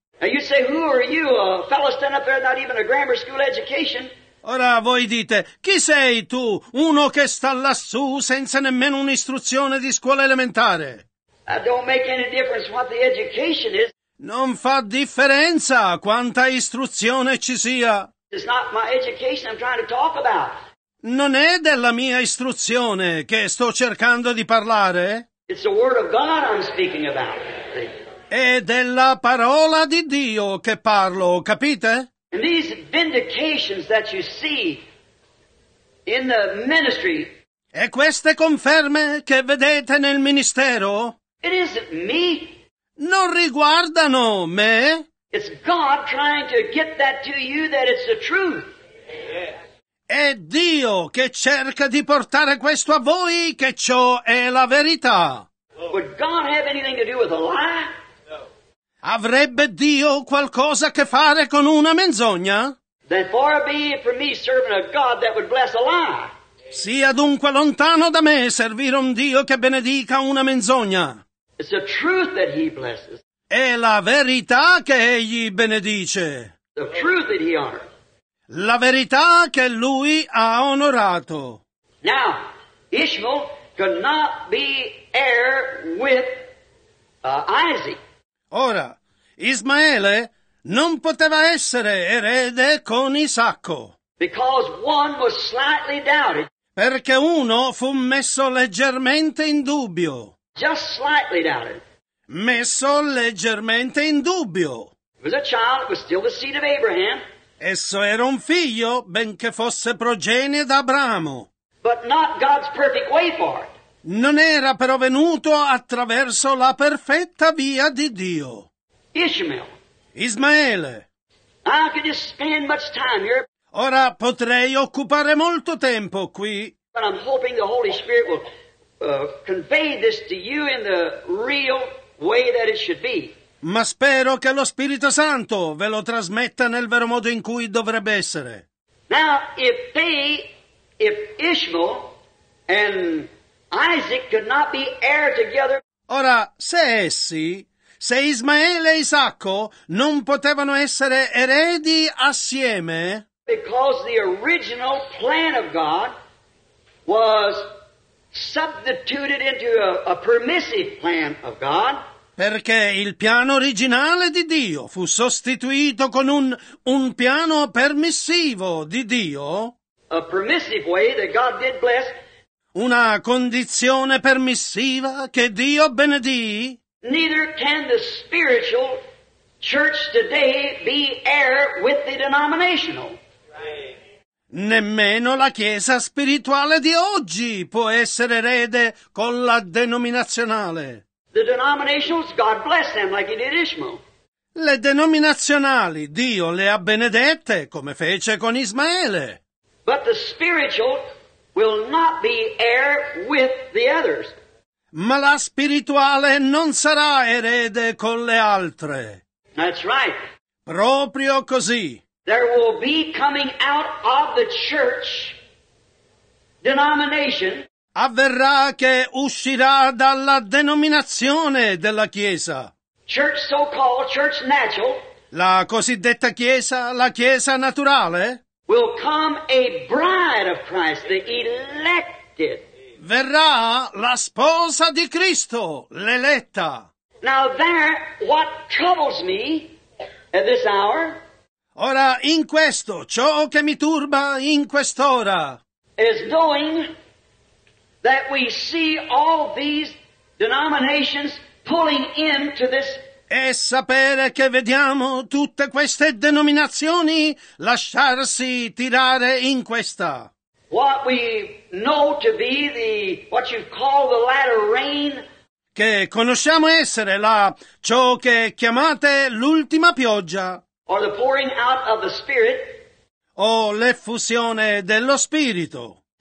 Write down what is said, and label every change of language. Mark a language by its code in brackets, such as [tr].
[en] And you say, who are you, a fellow stand up there, not even a grammar school education? [it] Ora voi dite, chi sei tu, uno che sta lassù senza nemmeno un'istruzione di scuola elementare? [en] I don't make any difference what the education is. [it] Non fa differenza quanta istruzione ci sia. [en] It's not my education I'm trying to talk about. [it] Non è della mia istruzione che sto cercando di parlare. [en] It's the word of God I'm speaking about. [it] È della parola di Dio che parlo, capite? [en] And these vindications that you see in the ministry. [it] E queste conferme che vedete nel ministero. [en] It isn't me. [it] Non riguardano me. [en] It's God trying to get that to you that it's the truth. [it] È Dio che cerca di portare questo a voi che ciò è la verità. [en] Would God have anything to do with a lie? [it] Avrebbe Dio qualcosa a che fare con una menzogna? [en] Then far be it from me serving a God that would bless a lie. [it] Sia dunque lontano da me servire un Dio che benedica una menzogna. [en] It's the truth that he blesses. [it] È la verità che egli benedice. [en] The truth that he honored. [it] La verità che lui ha onorato. [en] Now, Ishmael could not be heir with Isaac. [it] Ora, Ismaele non poteva essere erede con Isacco. [en] Because one was slightly doubted. [it] Perché uno fu messo leggermente in dubbio. [en] Just slightly doubted. [it] Messo leggermente in dubbio. [en] It was a child, it was still the seed of Abraham. [it] Esso era un figlio, benché fosse progenie d'Abramo. [en] But not God's perfect way for it. [it] Non era però venuto attraverso la perfetta via di Dio. Ismaele. [en] I could just spend much time here. [it] Ora potrei occupare molto tempo qui. [en] But I'm hoping the Holy Spirit will convey this to you in the real way that it should be. [it] Ma spero che lo Spirito Santo ve lo trasmetta nel vero modo in cui dovrebbe essere. [en] Now, if Ishmael and Isaac could not be heir together. [it] Ora, se Ismaele e Isacco non potevano essere eredi assieme. [en] Because the original plan of God was substituted into a permissive plan of God. [it] Perché il piano originale di Dio fu sostituito con un piano permissivo di Dio. [en] A permissive way that God did bless. [it] Una condizione permissiva che Dio benedì. [en] Neither can the spiritual church today be heir with the denominational. [it] Nemmeno la chiesa spirituale di oggi può essere erede con la denominazionale. [en] The denominationals, God bless them like he did Ishmael. [it] Le denominazionali, Dio le ha benedette come fece con Ismaele. [en] But the spiritual will not be heir with the others. [it] Ma la spirituale non sarà erede con le altre. [en] That's right. [it] Proprio così. [en] There will be coming out of the church denomination. [it] Avverrà che uscirà dalla denominazione della chiesa. [en] Church so-called, church natural. [it] La cosiddetta chiesa, la chiesa naturale. [en] will come a bride of Christ, the elected. [it] Verrà la sposa di Cristo, l'eletta. [en] Now there, what troubles me at this hour? [it] Ora in questo, ciò che mi turba in quest'ora. [en] Is knowing that we see all these denominations pulling into this. [it] E sapere che vediamo tutte queste denominazioni lasciarsi tirare in questa. [en] What we know to be the, what you call the latter rain. [it] Che conosciamo essere la, ciò che chiamate l'ultima pioggia. [en] Or the pouring out of the Spirit. [it] O l'effusione dello Spirito.